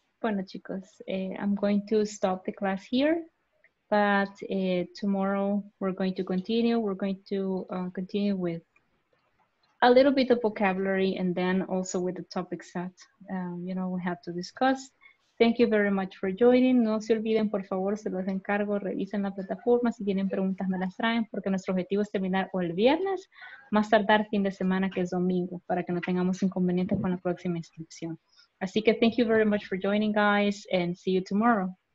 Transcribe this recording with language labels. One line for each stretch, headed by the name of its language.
Spanish: Bueno, chicos,
English: I'm going to stop the class here, but tomorrow we're going to continue. We're going to continue with a little bit of vocabulary and then also with the topics that, you know, we have to discuss. Thank you very much for joining.
Spanish: No se olviden, por favor, se los encargo, revisen la plataforma. Si tienen preguntas, me las traen, porque nuestro objetivo es terminar o el viernes, más tardar fin de semana, que es domingo, para que no tengamos inconvenientes con la próxima inscripción. Así que
English: thank you very much for joining, guys, and see you tomorrow.